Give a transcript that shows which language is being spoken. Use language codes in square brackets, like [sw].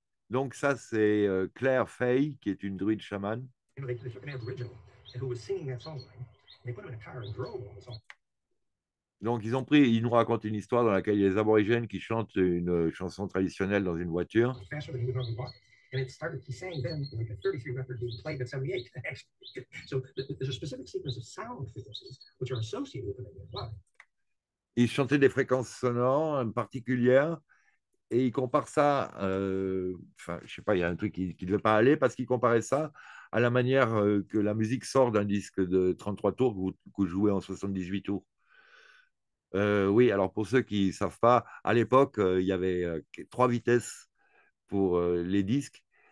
[fr] Donc ça, c'est Claire Fay, qui est une druide chamane. [en] They took an aboriginal who was singing that song. They put him in a car and drove on the song. [fr] Donc, ils nous racontent une histoire dans laquelle il y a les aborigènes qui chantent une chanson traditionnelle dans une voiture. [en] And it started to sing then like a 33 record being played at 78. So there's a specific sequence of sound frequencies which are associated with the radio clock. [fr] Ils chantaient des fréquences sonores particulières et ils comparent ça, enfin, je ne sais pas, il y a un truc qui ne devait pas aller parce qu'ils comparaient ça à la manière que la musique sort d'un disque de 33 tours que vous jouez en 78 tours. Oui, alors pour ceux qui ne savent pas, à l'époque, il y avait trois vitesses pour les disques.